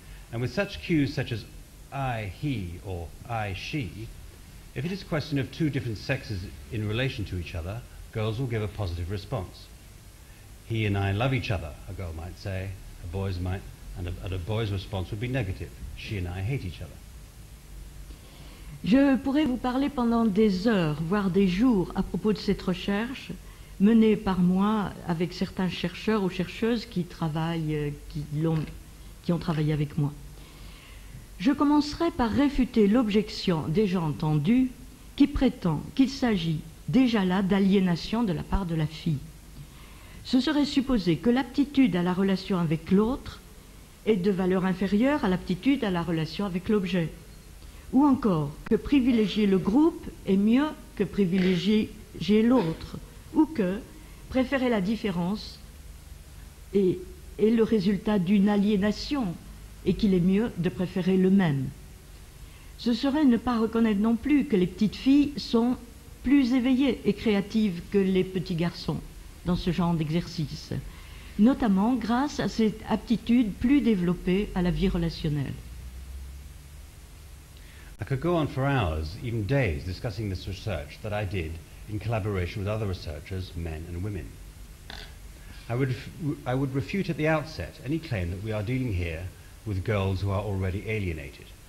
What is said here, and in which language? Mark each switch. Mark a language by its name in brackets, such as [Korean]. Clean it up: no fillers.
[English] And with such cues such as I, he, or I, she, If it is a question of two different sexes in relation to each other, girls will give a positive response. He and I love each other, a girl might say, and a boy's response would be negative. She and I hate each other. [French] Je pourrais vous parler pendant des heures, voire des jours, à propos de cette recherche menée par moi avec certains chercheurs ou chercheuses qui ont travaillé avec moi. Je commencerai par réfuter l'objection déjà entendue qui prétend qu'il s'agit déjà là d'aliénation de la part de la fille. Ce serait supposer que l'aptitude à la relation avec l'autre est de valeur inférieure à l'aptitude à la relation avec l'objet. Ou encore que privilégier le groupe est mieux que privilégier l'autre, ou que préférer la différence est le résultat d'une aliénation et qu'il est mieux de préférer le même. Ce serait ne pas reconnaître non plus que les petites filles sont plus éveillées et créatives que les petits garçons dans ce genre d'exercice, notamment grâce à cette aptitude plus développée à la vie relationnelle. [English] I could go on for hours, even days, discussing this research that I did in collaboration with other researchers, men and women. I would refute at the outset any claim that we are dealing here with girls who are already alienated.